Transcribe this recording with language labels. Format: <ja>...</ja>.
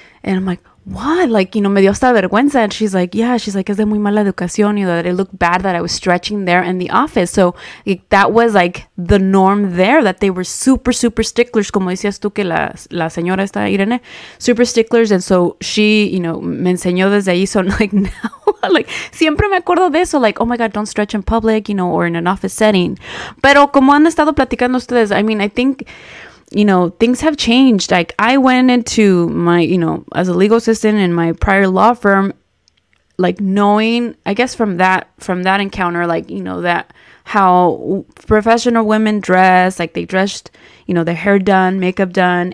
<en>And I'm like, what? Like, you know,</en> <es>me dio esta vergüenza.</es> <en>And she's like, yeah, she's like,</en> <es>es de muy mala educación,</es> <en>you know, that it looked bad that I was stretching there in the office. So, like, that was, like, the norm there, that they were super, super sticklers,</en> <es>como decías tú que la señora está,</es> <en>Irene, super sticklers. And so she, you know,</en> <es>me enseñó desde ahí.</es> <en>So, like, now, like,</en> <es>siempre me acuerdo de eso,</es> <en>like, oh my God, don't stretch in public, you know, or in an office setting.</en> <es>Pero como han estado platicando ustedes,</es> <en>I mean, I think, you know, things have changed. Like, I went into my, you know, as a legal assistant in my prior law firm, like, knowing, I guess, from that encounter, like, you know, that how professional women dress, like, they dressed, you know, their hair done, makeup done.</en>